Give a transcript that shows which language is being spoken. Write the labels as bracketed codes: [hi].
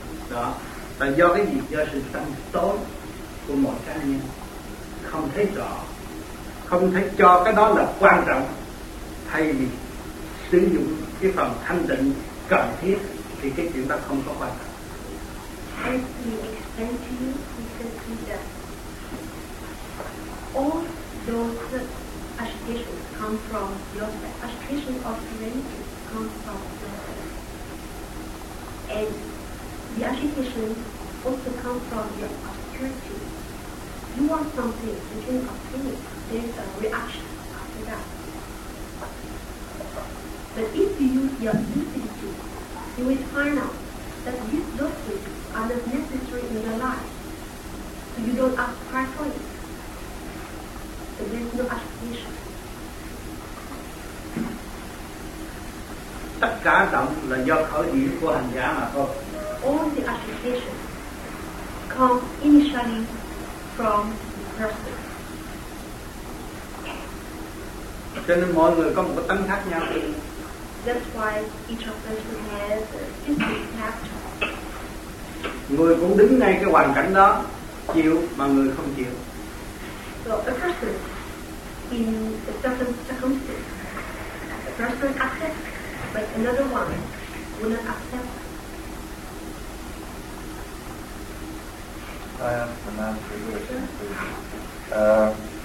[vi] Đó là do cái gì? Do sự sáng tối của mọi cá nhân không thấy rõ, không thấy cho cái đó là quan trọng, thay vì sử dụng cái phần thanh tịnh cần thiết thì cái chuyện đó không có quan trọng. [en] And he explained to you, he said to you that all those agitations come from yourself. Agitation of humanity comes from yourself. And the agitation also comes from your obscurity. You want something, you can obtain it. There's a reaction after that. But if you use your lucidity, you will find out that these losses are not necessary in your life. So you don't ask for it. So there's no agitation. [vi] Tất cả động là do khởi điểm của hành giả mà thôi. [en] All the agitation comes initially from the person. [vi] Cho nên mọi người có một cái tánh khác nhau. [en] That's why each of us has a different character. [vi] Người cũng đứng ngay cái hoàn cảnh đó chịu mà người không chịu. [en] So a person in a certain circumstance, a person accepts, but another one will not accept. I ask an answer here, please.